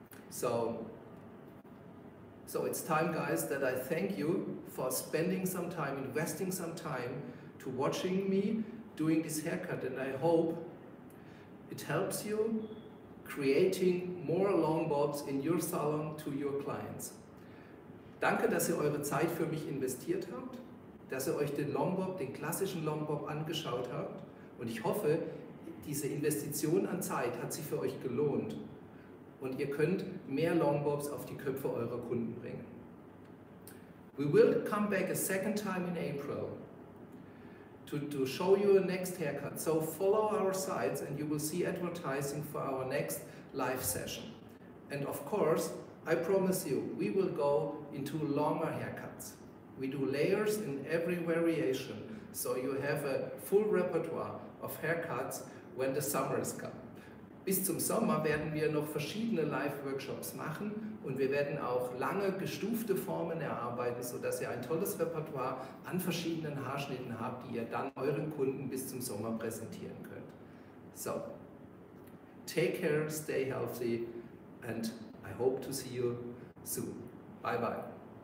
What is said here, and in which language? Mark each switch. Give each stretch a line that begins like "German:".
English: So it's time, guys, that I thank you for spending some time, investing some time to watching me doing this haircut. And I hope it helps you creating more long bobs in your salon to your clients.
German: Danke, dass ihr eure Zeit für mich investiert habt, dass ihr euch den long bob, den klassischen long bob angeschaut habt. Und ich hoffe, diese Investition an Zeit hat sich für euch gelohnt. Und ihr könnt mehr long bobs auf die Köpfe eurer Kunden bringen.
English: We will come back a second time in April to show you a next haircut. So follow our sites and you will see advertising for our next live session. And of course, I promise you, we will go into longer haircuts. We do layers in every variation, so you have a full repertoire of haircuts when the summer is come.
German: Bis zum Sommer werden wir noch verschiedene Live-Workshops machen und wir werden auch lange gestufte Formen erarbeiten, sodass ihr ein tolles Repertoire an verschiedenen Haarschnitten habt, die ihr dann euren Kunden bis zum Sommer präsentieren könnt.
English: So, take care, stay healthy and I hope to see you soon. Bye bye.